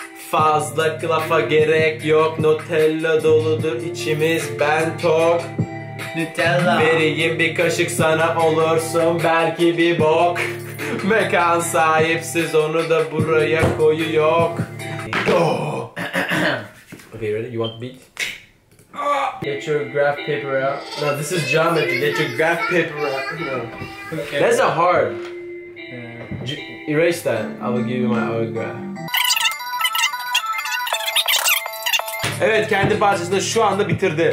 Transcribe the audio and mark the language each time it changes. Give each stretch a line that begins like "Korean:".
Turkish: Fazla lafa gerek yok, Nutella doludur içimiz, ben tok. Nutella. Vereyim bir kaşık sana, olursun belki bir bok. Mekan sahipsiz, onu da buraya koyu yok.
English: Okay, ready? You want the beat? Get your graph paper out. No, this is geometry. Get your graph paper out. Okay. That's a hard. Erase that. I will give you my other graph.
Turkish: Evet, kendi parçasını şu anda bitirdi.